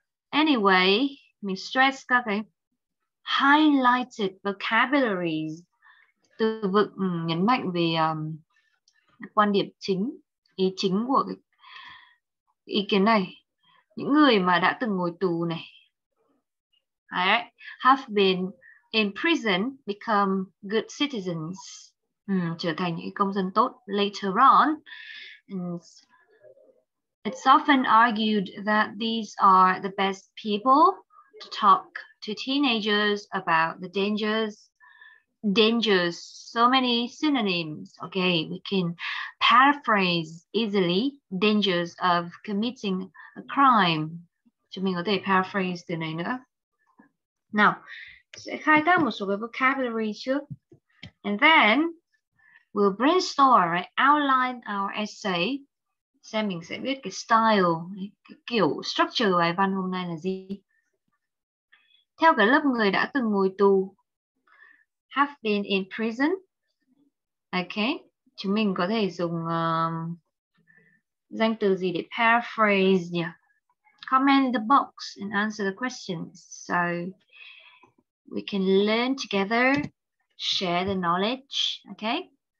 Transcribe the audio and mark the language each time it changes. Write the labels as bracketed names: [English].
[Vietnamese] Anyway, mình stress các cái [English] highlighted vocabularies, [Vietnamese] từ vựng nhấn mạnh về quan điểm chính, ý chính của cái ý kiến này. Những người mà đã từng ngồi tù này, [English] right, have been in prison, become good citizens, [Vietnamese] trở thành những công dân tốt [English] later on. It's often argued that these are the best people to talk to teenagers about the dangers, so many synonyms. Okay, we can paraphrase easily dangers of committing a crime. [Vietnamese] Chúng mình có thể paraphrase từ này nữa. Now, sẽ khai thác một số cái vocabulary trước. [English] And then, we'll brainstorm, right? Outline our essay. [Vietnamese] Xem mình sẽ viết cái style, cái kiểu structure bài văn hôm nay là gì. Theo cái lớp người đã từng ngồi tù, [English] have been in prison, [Vietnamese] okay, chúng mình có thể dùng danh từ gì để paraphrase nhỉ? [English] Comment in the box and answer the questions so we can learn together, share the knowledge, okay?